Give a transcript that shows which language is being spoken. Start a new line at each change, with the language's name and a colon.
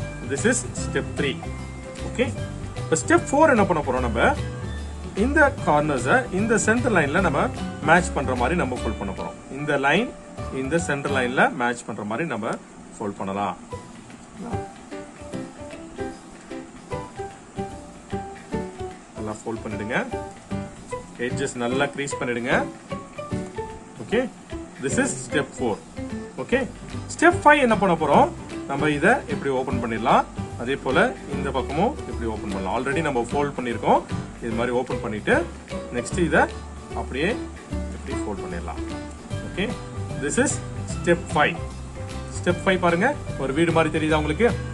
English: This is step 3. Okay? But step 4
Tamil: என்ன பண்ண போறோம், நம்ம இந்த கார்னர்ஸ் இந்த சென்டர் லைன்ல நம்ம மேட்ச் பண்ற மாதிரி நம்ம ஃபோல்ட் பண்ண போறோம். இந்த லைன் இந்த சென்டர் லைன்ல மேட்ச் பண்ற மாதிரி நம்ம ஃபோல்ட் பண்ணலாம். நல்லா ஃபோல்ட் பண்ணிடுங்க, எட்ஜஸ் நல்லா க்ரீஸ் பண்ணிடுங்க.
English: Okay, this is step 4.
Tamil: Okay, step 5 என்ன பண்ண போறோம், நம்ம இதை எப்படி ஓபன் பண்ணிடலாம், அதே போல இந்த பக்கமும் எப்படி ஓபன் பண்ணலாம். ஆல்ரெடி நம்ம ஃபோல்ட் பண்ணியிருக்கோம், இது மாதிரி ஓபன் பண்ணிட்டு நெக்ஸ்ட் இதை அப்படியே எப்படி ஃபோல்ட் பண்ணிடலாம். Okay,
English: This is step 5.
Tamil: Step 5 பாருங்க, ஒரு வீடு மாதிரி தெரியுதா உங்களுக்கு.